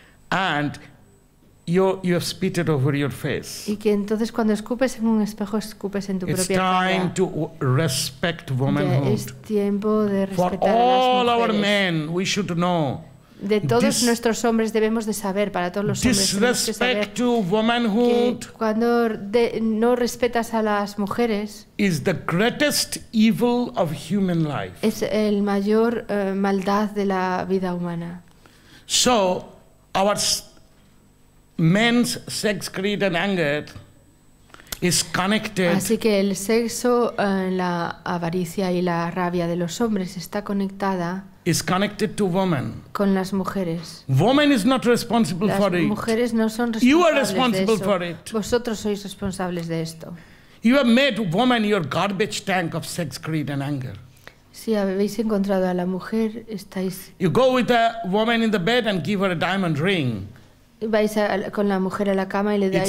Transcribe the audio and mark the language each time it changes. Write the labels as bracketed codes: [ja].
[en] And you have spit it over your face. [es] Y que entonces cuando escupes en un espejo escupes en tu [en] it's [es] propia cara. [en] Time to respect womanhood. [es] Es tiempo de respetar [en] for [es] a las mujeres. [en] All our men, we should know. [es] De todos [en] this, [es] nuestros hombres debemos de saber para todos los hombres [en] disrespect [es] tenemos que saber [en] to womanhood [es] que cuando no respetas a las mujeres [en] is the greatest evil of human life. [es] Es el mayor maldad de la vida humana. [en] So our men's sex, greed, and anger is connected. [es] Así que el sexo, la avaricia y la rabia de los hombres está conectada. [en] Is connected to women. [es] Con las mujeres. [en] Woman is not responsible [es] las [en] for it. [es] Las mujeres no son responsables. [en] You are responsible for it. [es] Vosotros sois responsables de esto. [en] You have made woman your garbage tank of sex, greed, and anger. [es] Si habéis encontrado a la mujer, estáis. [en] You go with a woman in the bed and give her a diamond ring. [es] Vais con la mujer a la cama y le dais